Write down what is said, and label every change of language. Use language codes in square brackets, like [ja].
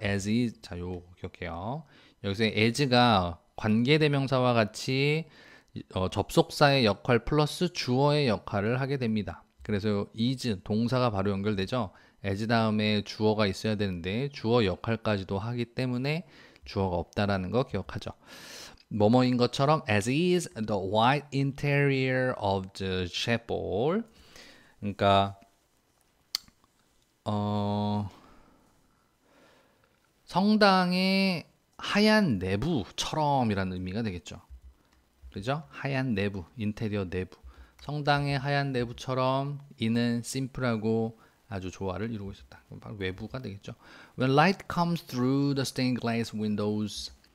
[ko] as is, 자, 요, 기억해요. 여기서 as가 관계대명사와 같이 접속사의 역할 플러스 주어의 역할을 하게 됩니다. 그래서 is, 동사가 바로 연결되죠. as 다음에 주어가 있어야 되는데 주어 역할까지도 하기 때문에 주어가 없다라는 거 기억하죠. 뭐뭐인 것처럼 [en] as is the white interior of the chapel. [ko] 그러니까 성당의 하얀 내부처럼이라는 의미가 되겠죠. 그죠? 하얀 내부, 인테리어 내부. 성당의 하얀 내부처럼 이는 심플하고 아주 조화를 이루고 있었다. 바로 외부가 되겠죠. [en] When light comes through the stained glass windows.